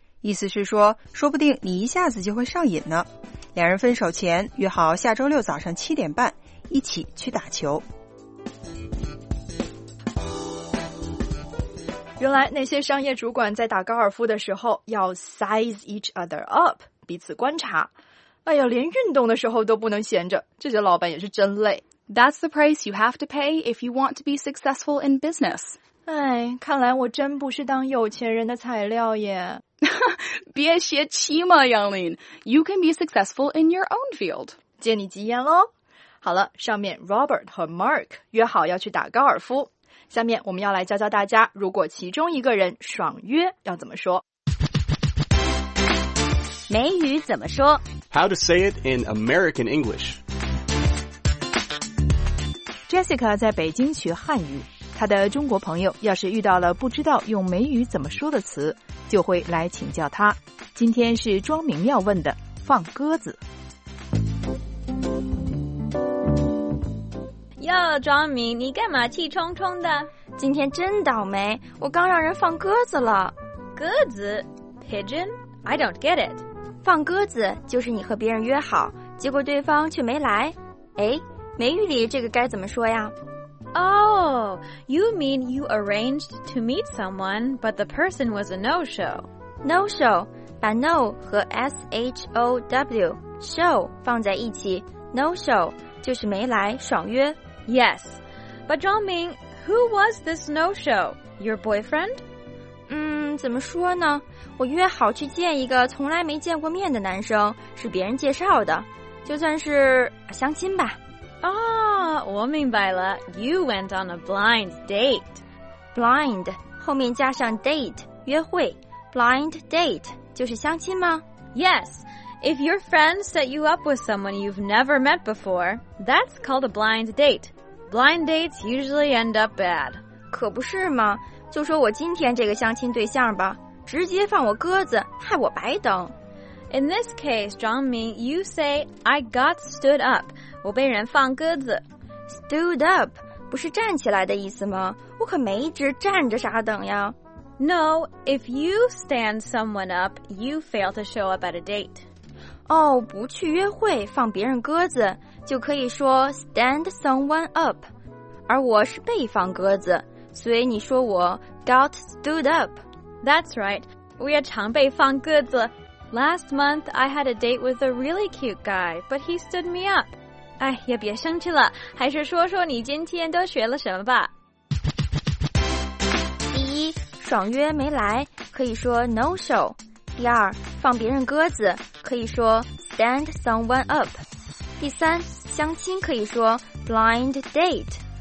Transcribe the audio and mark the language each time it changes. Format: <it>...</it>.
<zh>意思是说，说不定你一下子就会上瘾呢。两人分手前约好下周六早上7:30一起去打球。原来那些商业主管在打高尔夫的时候要</zh> <en>size each other up,</en> <zh>彼此观察。哎呀，连运动的时候都不能闲着，这些老板也是真累。</zh> <en>That's the price you have to pay if you want to be successful in business.</en> <zh>哎，看来我真不是当有钱人的材料耶。别泄气嘛，杨林。</zh> <en>You can be successful in your own field.</en> <zh>借你吉言咯。好了，上面 Robert 和 Mark 约好要去打高尔夫。下面我们要来教教大家，如果其中一个人爽约要怎么说。美语怎么说</zh> <en>?How to say it in American English.</en> <zh>Jessica 在北京学汉语，她的中国朋友要是遇到了不知道用美语怎么说的词，就会来请教她。今天是庄明耀问的放鸽子。哟，庄明，你干嘛气冲冲的？今天真倒霉，我刚让人放鸽子了。</zh> <en>鸽子 ？Pigeon? I don't get it.</en> <zh>放鸽子就是你和别人约好，结果对方却没来。哎，美语里这个该怎么说呀</zh> <en>？Oh, you mean you arranged to meet someone, but the person was a no-show.</en> <zh>No-show， 把 no 和 show show 放在一起 ，no-show 就是没来，爽约。</zh> <en>Yes, but Zhang Ming, who was this no-show? Your boyfriend?</en> <zh>怎么说呢？我约好去见一个从来没见过面的男生，是别人介绍的，就算是相亲吧。我明白了。</zh> <en>You went on a blind date.</en> <zh>Blind 后面加上 date 约会 ，blind date 就是相亲吗</zh> <en>？Yes. If your friend set you up with someone you've never met before, that's called a blind date. Blind dates usually end up bad.</en> <zh>可不是吗？就说我今天这个相亲对象吧，直接放我鸽子，害我白等。</zh> <en>In this case, Zhang Ming, you say, I got stood up.</en> <zh>我被人放鸽子。 Stood up 不是站起来的意思吗？我可没一直站着啥等呀。</zh> <en>No, if you stand someone up, you fail to show up at a date.</en> <zh>哦，不去约会放别人鸽子就可以说 stand someone up， 而我是被放鸽子，所以你说我 got stood up。</zh> <en>That's right，</en> <zh>我也常被放鸽子。</zh> <en>Last month I had a date with a really cute guy but he stood me up。</en> <zh>哎，也别生气了，还是说说你今天都学了什么吧。第一，爽约没来可以说 no show。第二，放别人鸽子可以说 stand someone up。第三，相亲可以说 blind date。</zh>